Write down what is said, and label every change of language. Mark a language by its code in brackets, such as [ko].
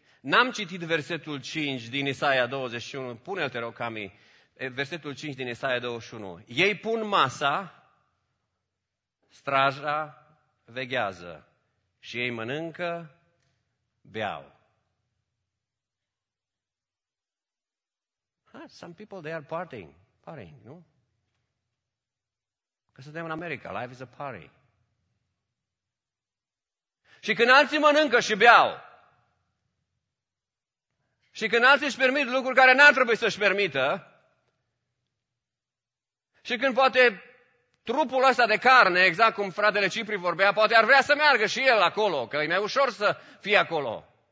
[ro] N-am citit versetul 5 din Isaia 21, pune-l, te rog, Cami, versetul 5 din Isaia 21. Ei pun masa, straja veghează și ei mănâncă, beau. [en] Some people, they are partying, nu? [ro] Că suntem în America, [en] life is a party. [ro] Și când alții mănâncă și beau, și când alții își permit lucruri care n-ar trebui să-și permită, și când poate trupul ăsta de carne, exact cum fratele Cipri vorbea, poate ar vrea să meargă și el acolo, că e mai ușor să fie acolo.